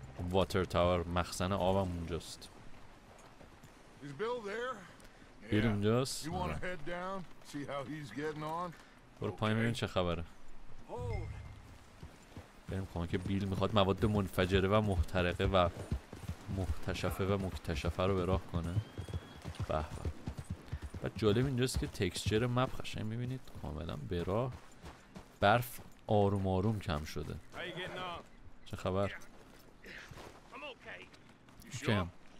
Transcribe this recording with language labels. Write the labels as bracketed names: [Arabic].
[Persian] واتر تاور، مخزن آبم اونجاست. [English] Is Bill there? Yeah. Him just. You want to head down, see how he's getting on? [Persian] برو پایین ببین چه خبره. بریم کنم که بیل میخواد مواد منفجره و محترقه و محتشفه و مکتشفه رو به راه کنه. به به. و جالب اینجاست که تکسچر مپ قشنگ میبینید کاملا به راه. برف آروم آروم کم شده. چه خبر؟ کم.